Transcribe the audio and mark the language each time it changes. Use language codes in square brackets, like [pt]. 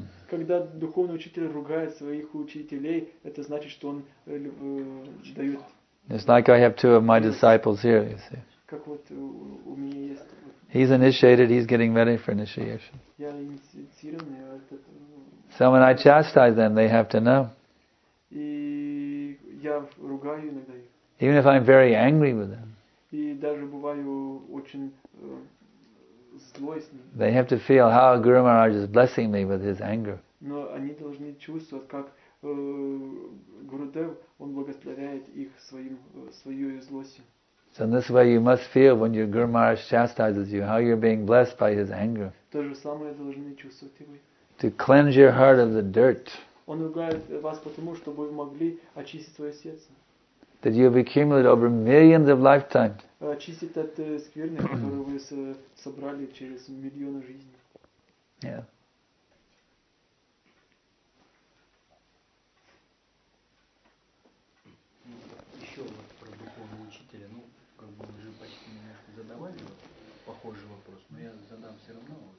[ru] Когда духовный учитель ругает своих учителей, это значит, что он дает. [en] It's like I have two of my disciples here, you see. [ru] Как вот у меня есть. [en] He's initiated, he's getting ready for initiation. [ru] Я инициирован, этот. [en] So when I chastise them, they have to know. [ru] И я ругаю иногда. [en] Even if I'm very angry with them, [ru] и даже бываю очень злой с ним. [en] They have to feel how Guru Maharaj is blessing me with his anger. [ru] Но они должны чувствовать, как Гурудев, он благословляет их своей злостью. [en] So in this way you must feel when your Guru Maharaj chastises you, how you're being blessed by his anger. To cleanse your heart of the dirt. [ru] Он ругает вас потому, чтобы вы могли очистить свое сердце. [en] That you have accumulated over millions of lifetimes. [ru] Очистить от скверны, которые вы собрали через миллионы жизней. [en] Yeah. [ru] Еще вот про духовного учителя. Ну, как бы уже почти немножко задавали вот похожий вопрос, но я задам все равно.